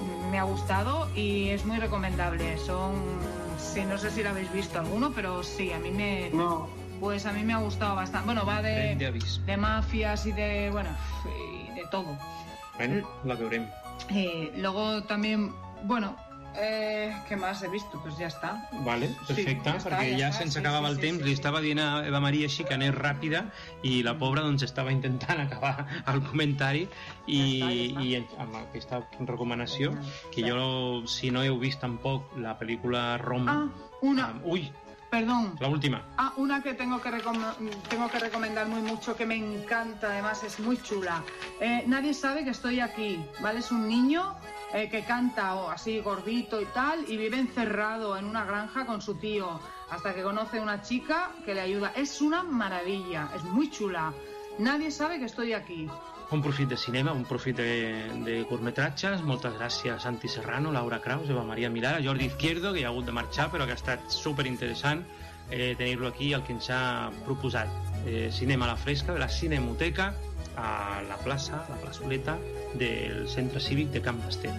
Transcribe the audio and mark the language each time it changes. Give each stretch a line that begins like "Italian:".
Spanish: Me ha gustado y es muy recomendable. Sí, no sé si la habéis visto alguno, pero sí, a mí me... No. Pues a mí me ha gustado bastante. Bueno, va de mafias y de... Bueno, todo.
Catalan: Bueno, la veurem.
Spanish: Luego también, bueno, ¿qué más he visto? Pues ya está.
Catalan: Vale, perfecte, sí, perquè ja se'ns acabava el temps. Sí. Li estava dient a Eva Maria així que anés ràpida i la pobra doncs estava intentant acabar el comentari ja està. I amb aquesta recomanació que jo, si no heu vist tampoc la pel·lícula Roma...
Spanish: Ah, una... Perdón. La última. Ah, una que tengo que recomendar muy mucho, que me encanta, además es muy chula. Nadie sabe que estoy aquí, ¿vale? Es un niño que canta así gordito y tal, y vive encerrado en una granja con su tío, hasta que conoce una chica que le ayuda. Es una maravilla, es muy chula. Nadie sabe que estoy aquí.
Catalan: Un profit de cinema, un profit de curtmetratges. Moltes gràcies, Santi Serrano, Laura Kraus, Eva Maria Milara, Jordi Izquierdo, que ja ha hagut de marxar, però que ha estat superinteressant tenir-lo aquí, el que ens ha proposat. Cinema a la fresca, de la Cinemoteca, a la plaça, a la plaçoleta del Centre Cívic de Camp d'Esté.